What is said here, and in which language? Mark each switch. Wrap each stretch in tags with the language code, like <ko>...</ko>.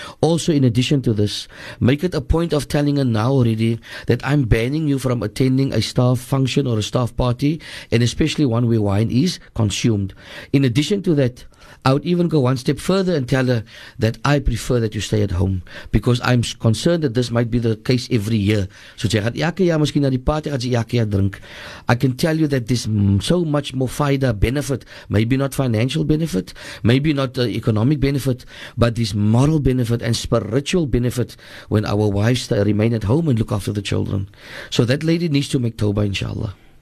<en>Also, in addition to this, make it a point of telling her now already that I'm banning you from attending a staff function or a staff party, and especially one where wine is consumed. In addition to that, I would even go one step further and tell her that I prefer that you stay at home because I'm concerned that this might be the case every year. So she</en> <af>gaat elke jaar misschien naar die party, gaat ze elke jaar drink.</af> <en>I can tell you that there's so much more faida benefit, maybe not financial benefit, maybe not economic benefit, but this moral benefit and spiritual benefit when our wives remain at home and look after the children. So that lady needs to make tawbah, inshallah.</en>